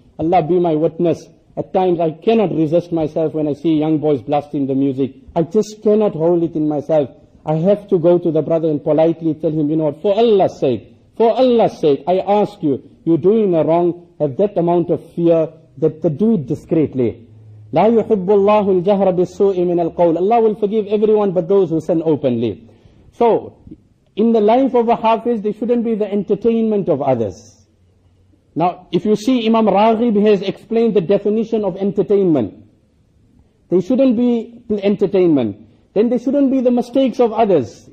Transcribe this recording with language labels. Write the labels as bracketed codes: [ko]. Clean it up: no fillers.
[en] Allah be my witness. At times I cannot resist myself when I see young boys blasting the music. I just cannot hold it in myself. I have to go to the brother and politely tell him, you know what, for Allah's sake, I ask you, you're doing a wrong, have that amount of fear, that do it discreetly. [ar] لا يحب الله الجهر بالسوء من القول. [en] Allah will forgive everyone but those who sin openly. So, in the life of a Hafiz, there shouldn't be the entertainment of others. Now, if you see, Imam Raghib has explained the definition of entertainment. There shouldn't be entertainment. Then there shouldn't be the mistakes of others.